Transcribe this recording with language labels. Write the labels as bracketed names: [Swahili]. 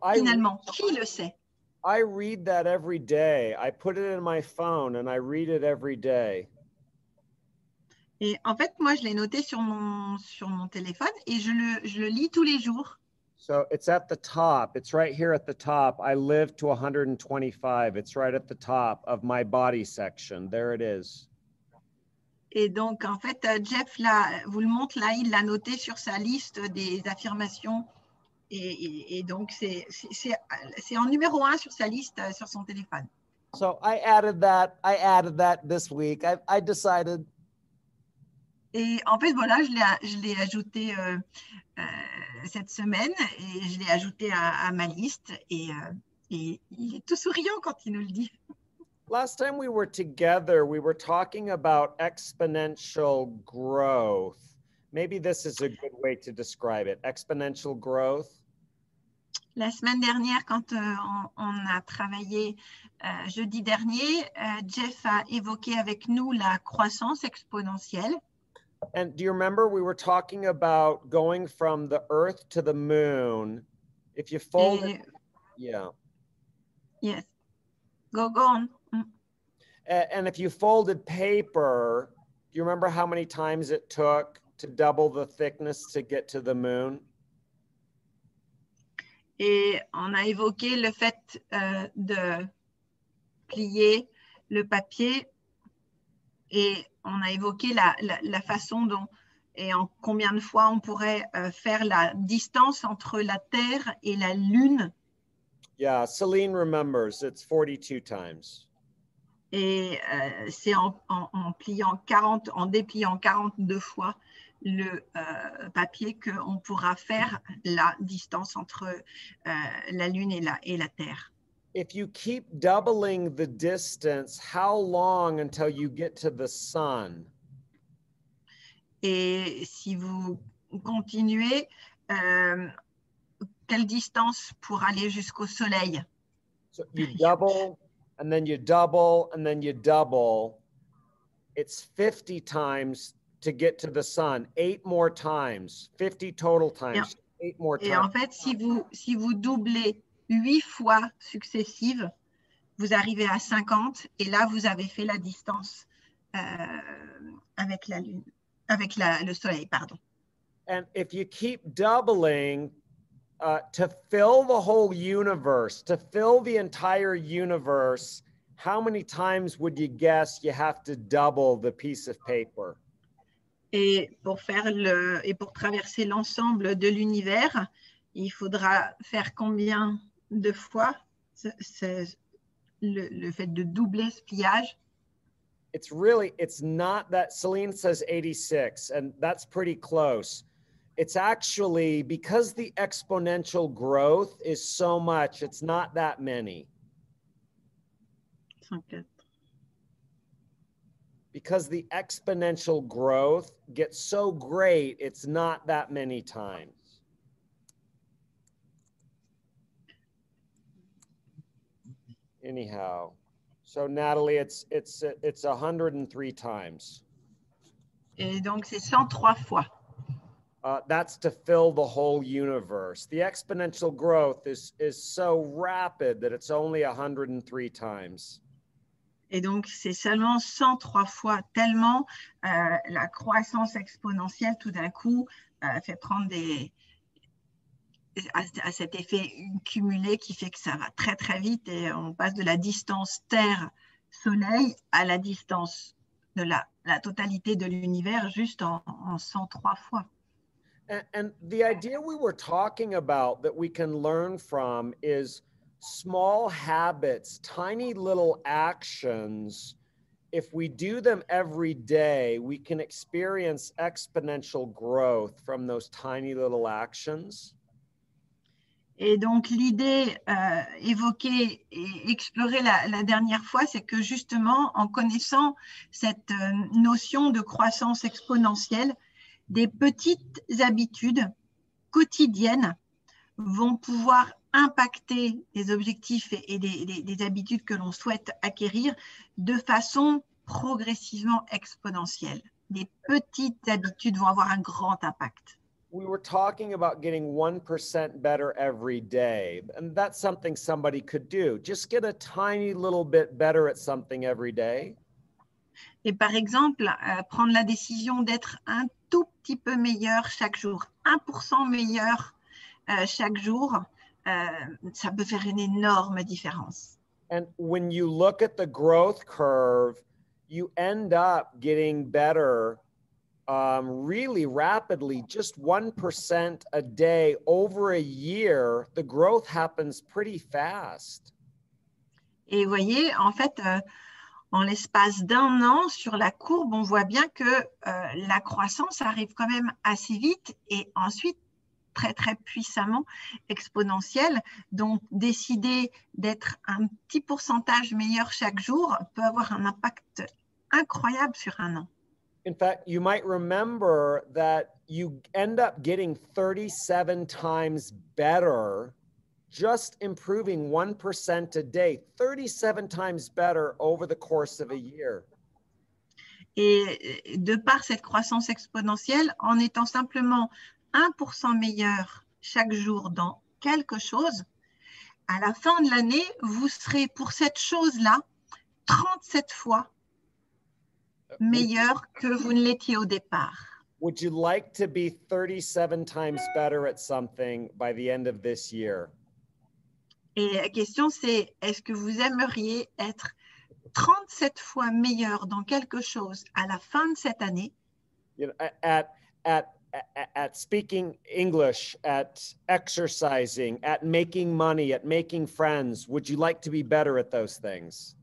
[French] finalement, qui le sait? [English] I read that every day. I put it in my phone and I read it every day. [French] Et en fait, moi, je l'ai noté sur mon téléphone et je le lis tous les jours. [English] So it's at the top. It's right here at the top. I live to 125. It's right at the top of my body section. There it is. [French] Et donc, en fait, Jeff là, vous le montre là, il l'a noté sur sa liste des affirmations. Et donc, c'est en numéro un sur sa liste, sur son téléphone. [English] So, I added that this week. I decided. [French] Et en fait, voilà, je l'ai ajouté cette semaine et je l'ai ajouté à ma liste. Et il est tout souriant quand il nous le dit. [English] Last time we were together, we were talking about exponential growth. Maybe this is a good way to describe it. Exponential growth. [French] La semaine dernière, quand on a travaillé jeudi dernier, Jeff a évoqué avec nous la croissance exponentielle. [English] And do you remember we were talking about going from the earth to the moon? If you fold it, yeah. Yes. Go on. And if you folded paper, do you remember how many times it took to double the thickness to get to the moon? [French] Et on a évoqué le fait de plier le papier et on a évoqué la façon dont et en combien de fois on pourrait faire la distance entre la Terre et la Lune. [English] Yeah, Céline remembers, it's 42 times. [French] Et c'est en dépliant 42 fois le papier qu'on pourra faire la distance entre la Lune et la Terre. [English] If you keep doubling the distance, how long until you get to the sun? [French] Et si vous continuez, quelle distance pour aller jusqu'au soleil? [English] So you double, and then you double, and then you double. It's 50 times to get to the sun. 8 more times. 50 total times. [French] Et, [English] 8 more times. [French] Et en fait, si vous doublez 8 fois successives, vous arrivez à 50, et là, vous avez fait la distance avec la lune, avec le soleil, pardon. [English] And if you keep doubling, to fill the whole universe, to fill the entire universe, how many times would you guess you have to double the piece of paper? [French] Et pour traverser l'ensemble de l'univers, il faudra faire combien de fois le fait de doubler ce pliage? [English] It's not that Celine says 86, and that's pretty close. it's actually because the exponential growth is so much, it's not that many. Because the exponential growth gets so great, it's not that many times. Anyhow, so Natalie, it's 103 times. [French] Et donc c'est 103 fois. [English] That's to fill the whole universe. The exponential growth is so rapid that it's only 103 times. [French] Et donc c'est seulement 103 fois, tellement la croissance exponentielle tout d'un coup fait prendre à cet effet cumulé qui fait que ça va très très vite et on passe de la distance Terre-Soleil à la distance de la totalité de l'univers juste en 103 fois. [English] And the idea we were talking about that we can learn from is small habits, tiny little actions. If we do them every day, we can experience exponential growth from those tiny little actions. [French] Et donc, l'idée évoquée et explorée la dernière fois, c'est que justement, en connaissant cette notion de croissance exponentielle, des petites habitudes quotidiennes vont pouvoir impacter les objectifs et des habitudes que l'on souhaite acquérir de façon progressivement exponentielle. Des petites habitudes vont avoir un grand impact. [English] We were talking about getting 1% better every day. And that's something somebody could do. Just get a tiny little bit better at something every day. [French] Et par exemple, prendre la décision d'être un tout petit peu meilleur chaque jour. 1% meilleur chaque jour, ça peut faire une énorme différence. [English] And when you look at the growth curve, you end up getting better really rapidly, just 1% a day over a year, the growth happens pretty fast. [French] Et vous voyez, en fait, en l'espace d'un an, sur la courbe, on voit bien que la croissance arrive quand même assez vite et ensuite très, très puissamment exponentielle. Donc, décider d'être un petit pourcentage meilleur chaque jour peut avoir un impact incroyable sur un an. [English] In fact, you might remember that you end up getting 37 times better just improving 1% a day, 37 times better over the course of a year. [French] Et de par cette croissance exponentielle, en étant simplement 1% meilleur chaque jour dans quelque chose, à la fin de l'année, vous serez pour cette chose-là 37 fois meilleur que vous ne l'étiez au départ. [English] Would you like to be 37 times better at something by the end of this year? [French] Et la question c'est, est-ce que vous aimeriez être 37 fois meilleur dans quelque chose à la fin de cette année? [English] You know, at speaking English, at exercising, at making money, at making friends, would you like to be better at those things?